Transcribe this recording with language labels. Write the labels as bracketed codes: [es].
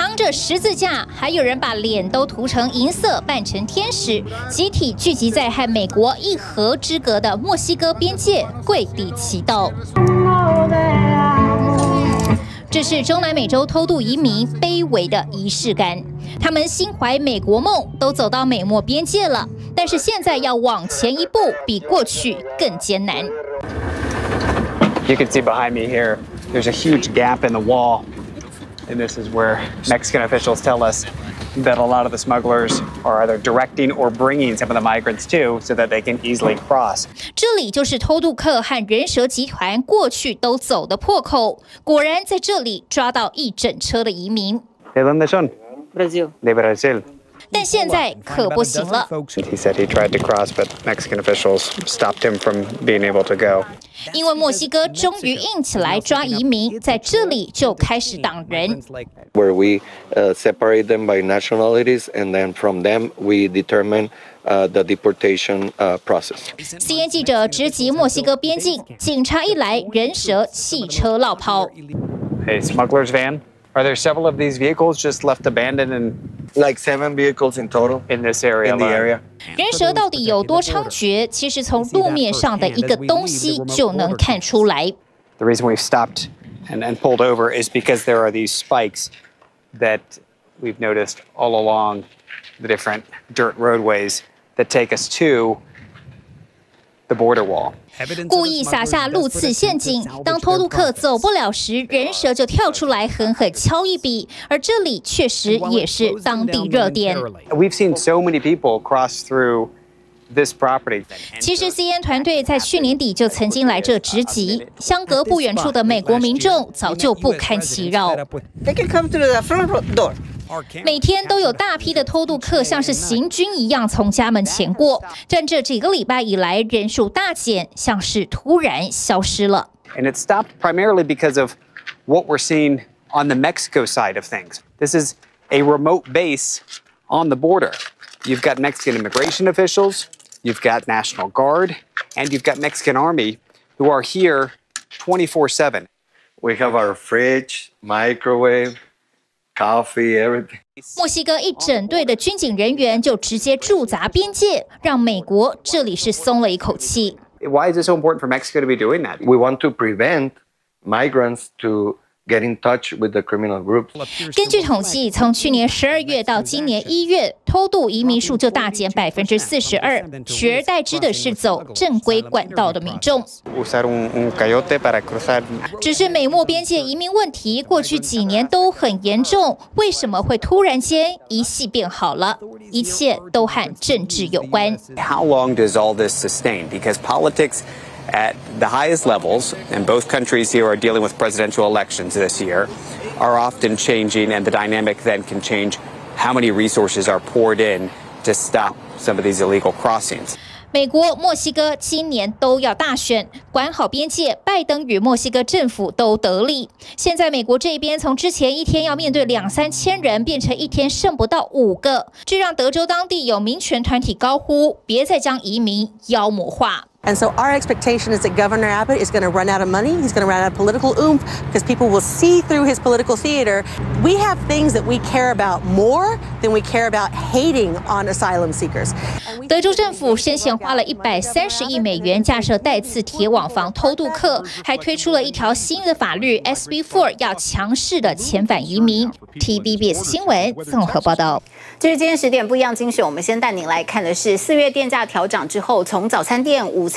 [zh] 十字架，还有人把脸都涂成银色，扮成天使，集体聚集在和美国一河之隔的墨西哥边界，跪地祈祷。这是中南美洲偷渡移民卑微的仪式感，他们心怀美国梦，都走到美墨边界了，但是现在要往前一步，比过去更艰难。 [en] You can see behind me here, there's a huge gap in the wall. And this is where Mexican officials tell us that a lot of the smugglers are either directing or bringing some of the migrants too, so that they can easily cross. [zh] 这里就是偷渡客和人蛇集团过去都走的破口。果然在这里抓到一整车的移民。 [es] ¿De dónde son? Brasil. De Brasil. [zh] 但现在可不行了。 [en] He said he tried to cross, but Mexican officials stopped him from being able to go. [zh] 因为墨西哥终于硬起来抓移民，在这里就开始挡人。 [en] Where we separate them by nationalities, and then from them we determine the deportation process. [zh] CNN 记者直击墨西哥边境，警察一来，人蛇汽车落跑。 [en] Hey, smugglers van. Are there several of these vehicles just left abandoned and like 7 vehicles in total in this area? In the area. [zh] 人蛇到底有多猖獗？其实从路面上的一个东西就能看出来。 [en] The reason we've stopped and pulled over is because there are these spikes that we've noticed all along the different dirt roadways that take us to the border wall. [zh] 故意撒下路刺陷阱，当偷渡客走不了时，人蛇就跳出来狠狠敲一笔。而这里确实也是当地热点。 [en] We've seen so many people cross through this property. [zh] 其实 CNN 团队在去年底就曾经来这执籍，相隔不远处的美国民众早就不堪其扰。 [en] They can come through the front door. [zh] 每天都有大批的偷渡客像是行军一样从家门前过，但这几个礼拜以来人数大减，像是突然消失了。 [en] And it stopped primarily because of what we're seeing on the Mexico side of things. This is a remote base on the border. You've got Mexican immigration officials, you've got National Guard, and you've got Mexican Army who are here 24/7. We have our fridge, microwave. Coffee, everything. [zh] 墨西哥一整队的军警人员就直接驻扎边界，让美国这里是松了一口气。 [en] Why is it so important for Mexico to be doing that? We want to prevent migrants to get in touch with the criminal groups. [zh] 根据统计，从去年12月到今年1月，偷渡移民数就大减42%，取而代之的是走正规管道的民众。只是美墨边界移民问题过去几年都很严重，为什么会突然间一夕变好了？一切都和政治有关。 [en] How long does all this sustain? Because politics at the highest levels, and both countries here are dealing with presidential elections this year, are often changing, and the dynamic then can change. How many resources are poured in to stop some of these illegal crossings? [zh] 美国、墨西哥今年都要大选，管好边界，拜登与墨西哥政府都得力。现在美国这边从之前一天要面对2-3千人，变成一天剩不到5个，这让德州当地有民权团体高呼：别再将移民妖魔化。 [en] And so our expectation is that Governor Abbott is going to run out of money. He's going to run out of political oomph because people will see through his political theater. We have things that we care about more than we care about hating on asylum seekers. [zh] 德州政府先前花了130亿美元架设带刺铁网防偷渡客，还推出了一条新的法律 SB4， 要强势的遣返移民。 TVBS 新闻综合报道。就是今天10点不一样精选，我们先带您来看的是4月电价调涨之后，从早餐店、午餐